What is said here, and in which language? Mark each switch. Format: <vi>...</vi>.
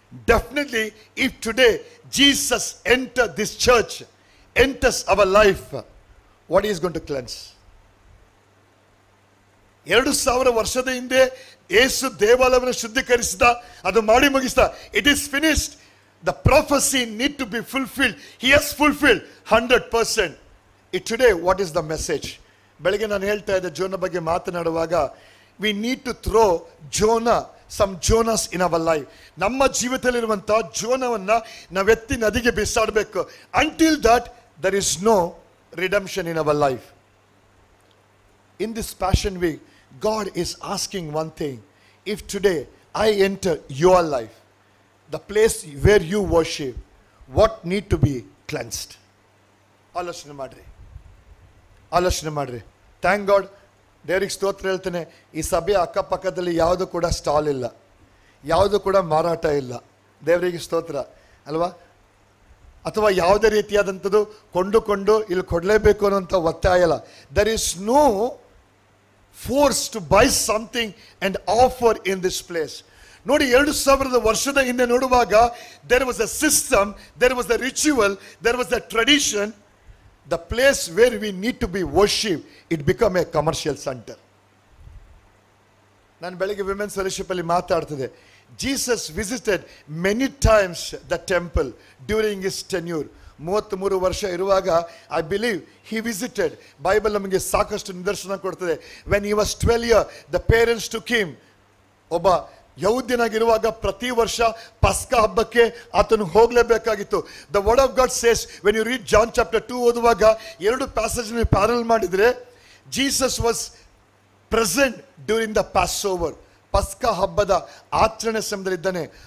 <en>Definitely if today Jesus enter this church, enters our life, what is going to cleanse?</en> <kn>2000 ವರ್ಷದ ಹಿಂದೆ ಯೇಸು ದೇವಾಲಯವನ್ನು ಶುದ್ಧೀಕರಿಸಿದ, ಅದು ಮಾಡಿ ಮುಗಿಸ್ದ,</kn> <en>It is finished. The prophecy need to be fulfilled. He has fulfilled 100%. Today, what is the message?</en> <kn>ಬೆಳಿಗ್ಗೆ ನಾನು ಹೇಳ್ತಾ ಇದ್ದೆ ಜೋನ ಬಗ್ಗೆ ಮಾತನಾಡುವಾಗ,</kn> <en>We need to throw Jonah, some Jonahs in our life.</en> <kn>ನಮ್ಮ ಜೀವದಲ್ಲಿರುವಂತಹ ಜೋನವನ್ನ ನಾವು ಎತ್ತಿ ನದಿಗೆ ಬಿಸಾಡಬೇಕು.</kn> <en>Until that there is no redemption in our life. In this passion week God is asking one thing, if today I enter your life, the place where you worship, what need to be cleansed.</en> <kn>ಆಲೋಚನೆ ಮಾಡ್ರಿ, ಆಲೋಚನೆ ಮಾಡ್ರಿ.</kn> <en>thank God,</en> <kn>ದೇವರಿಗೆ ಸ್ತೋತ್ರ ಹೇಳ್ತೇನೆ. ಈ ಸಭೆಯ ಅಕ್ಕಪಕ್ಕದಲ್ಲಿ ಯಾವುದು ಕೂಡ ಸ್ಟಾಲ್ ಇಲ್ಲ, ಯಾವುದು ಕೂಡ ಮಾರಾಟ ಇಲ್ಲ. ದೇವರಿಗೆ ಸ್ತೋತ್ರ ಅಲ್ವಾ? ಅಥವಾ ಯಾವುದೇ ರೀತಿಯಾದಂಥದ್ದು ಕೊಂಡುಕೊಂಡು ಇಲ್ಲಿ ಕೊಡಲೇಬೇಕು ಅನ್ನೋಂಥ ಒತ್ತಾಯ ಇಲ್ಲ.</kn> <en>There is no force to buy something and offer in this place.</en> <kn>ನೋಡಿ, 2000 ವರ್ಷದ ಹಿಂದೆ ನೋಡುವಾಗ</kn> <en>There was a system, there was a ritual, there was a tradition. The place where we need to be worship, it become a commercial center.</en> <kn>Nan belige women's fellowship alli maatadthide.</kn> <en>Jesus visited many times the temple during his tenure.</en> <kn>33 varsha iruvaga</kn> <en>I believe he visited.</en> <kn>Bible namage sakashtu nidarshana kodutide.</kn> <en>When he was 12 year, the parents took him.</en> <kn>Oba ಯಹೂದ್ಯನಾಗಿರುವಾಗ ಪ್ರತಿ ವರ್ಷ ಪಸ್ಕ ಹಬ್ಬಕ್ಕೆ ಆತನು ಹೋಗಲೇಬೇಕಾಗಿತ್ತು.</kn> <en>the word of God says, when you read John chapter 2</en> <kn>ಓದುವಾಗ ಎರಡು passage parallel ಮಾಡಿದರೆ,</kn> <en>Jesus was present during the Passover,</en> <kn>ಪಸ್ಕ ಹಬ್ಬದ ಆಚರಣೆ ಸಮಯದಲ್ಲಿ ಇದ್ದಾನೆ.</kn>